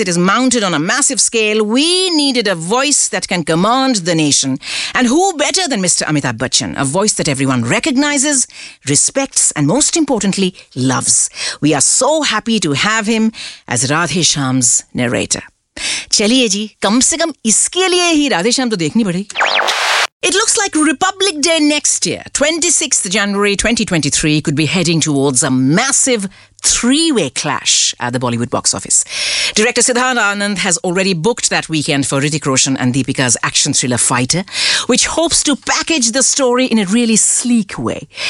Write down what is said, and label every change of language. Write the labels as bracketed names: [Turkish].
[English] It is mounted on a massive scale. We needed a voice that can command the nation. And who better than Mr. Amitabh Bachchan? A voice that everyone recognizes, respects, and most importantly, loves. We are so happy to have him as Radhe Shyam's narrator. [Hindi] चलिए जी, कम से कम इसके लिए ही राधे श्याम तो देखनी पड़ेगी। [English] It looks like Republic Day next year, 26th January 2023, could be heading towards a massive three-way clash at the Bollywood box office. Director Siddharth Anand has already booked that weekend for Hrithik Roshan and Deepika's action thriller Fighter, which hopes to package the story in a really sleek way.